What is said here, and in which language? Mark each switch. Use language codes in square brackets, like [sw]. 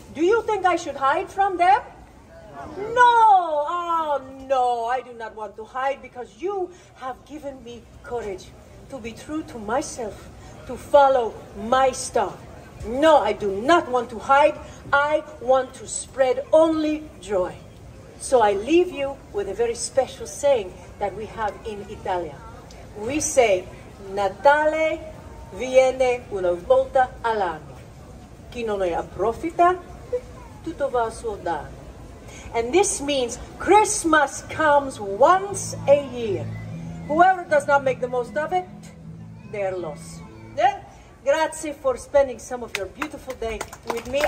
[en] Do you think I should hide from them? No, oh no, I do not want to hide, because you have given me courage to be true to myself, to follow my star. No, I do not want to hide. I want to spread only joy. So I leave you with a very special saying that we have in Italia. We say, [it] Natale viene una volta all'anno. Chi non ne approfitta, tutto va a suo danno. [en] And this means Christmas comes once a year. Whoever does not make the most of it, their loss. Yeah? Grazie for spending some of your beautiful day with me.